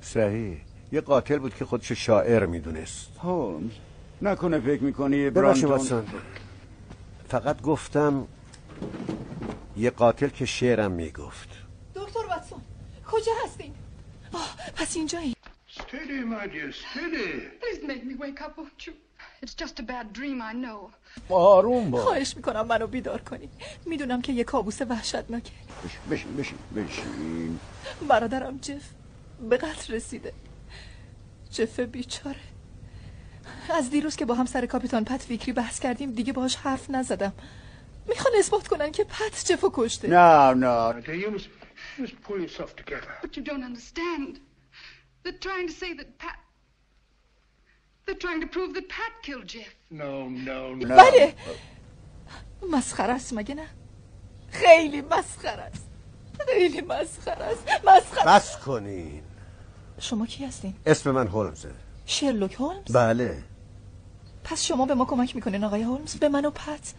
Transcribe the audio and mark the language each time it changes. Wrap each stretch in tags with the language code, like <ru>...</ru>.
<fa>صحیح، یه قاتل بود که خودشو شاعر میدونست. هولمز، نکنه فکر میکنی برانتون. ببخشید، فقط گفتم یه قاتل که شعرم میگفت. دکتر واتسون، کجا هستی؟ پس اینجایی.</fa> <en>Steady, my dear, steady. Please make me wake up, won't you? It's just a bad dream, I know.</en> <fa>آروم باش. خواهش میکنم منو بیدار کنی. میدونم که یه کابوس وحشتناکه. بشین. برادرم جف به قتل رسیده. جف بیچاره. از دیروز که با همسر کاپیتان پت ویکری بحث کردیم دیگه باهاش حرف نزدم. میخوان اثبات کنن که پت جفو کشته. نه.</fa> <en>Just pull yourself together. But you don't understand. They're trying to say that Pat... They're trying to prove that Pat killed Jeff. No.</en> <fa>بله. مسخره است مگه نه؟ خیلی مسخره است. خیلی مسخره است. مسخره. بس کنین. شما کی هستین؟ اسم من هولمزه. شرلوک هولمز؟ بله. پس شما به ما کمک میکنین آقای هولمز؟ به من و پت؟</fa>